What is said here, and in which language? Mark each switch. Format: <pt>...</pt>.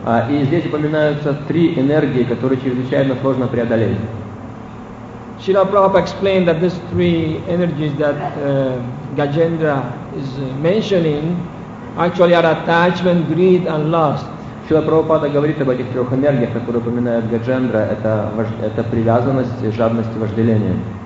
<ru>И здесь упоминаются три энергии, которые чрезвычайно сложно преодолеть.</ru> <en>Srila Prabhupada explained that these three energies that Gajendra is mentioning actually are attachment, greed and lust.</en> <ru>Srila Prabhupada говорит об этих трех энергиях, которые упоминает Гаджендра, это привязанность, жадность и вожделение.</ru>